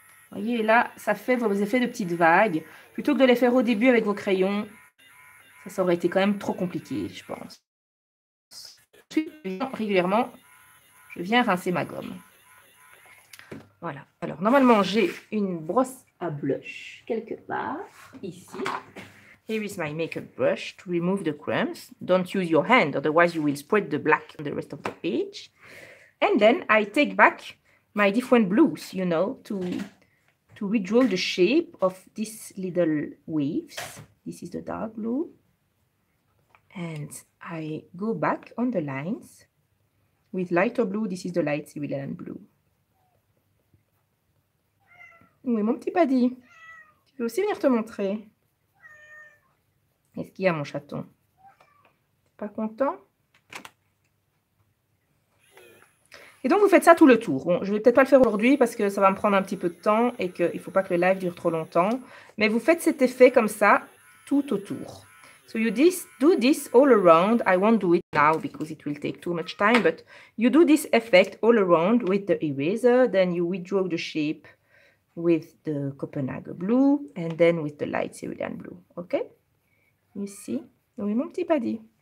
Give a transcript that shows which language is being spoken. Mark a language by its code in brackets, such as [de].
[fr] Vous voyez, là, ça fait vos effets de petites vagues. Plutôt que de les faire au début avec vos crayons, ça aurait été quand même trop compliqué, je pense. Régulièrement, je viens rincer ma gomme. Voilà. Alors, normalement, j'ai une brosse à blush quelque part, ici. [en] Here is my makeup brush to remove the crumbs. Don't use your hand, otherwise you will spread the black on the rest of the page. And then, I take back my different blues, you know, to redraw the shape of these little waves. This is the dark blue. And I go back on the lines with lighter blue. This is the light cerulean blue. [fr] Oui, mon petit Paddy. Tu peux aussi venir te montrer. Est-ce qu'il y a mon chaton? Pas content? Et donc, vous faites ça tout le tour. Bon, je ne vais peut-être pas le faire aujourd'hui parce que ça va me prendre un petit peu de temps et qu'il ne faut pas que le live dure trop longtemps. Mais vous faites cet effet comme ça tout autour. [en] So, you do this all around. I won't do it now because it will take too much time. But you do this effect all around with the eraser. Then you redraw the shape with the Copenhagen blue and then with the light cerulean blue. OK? You see? [fr] Oui, mon petit Paddy.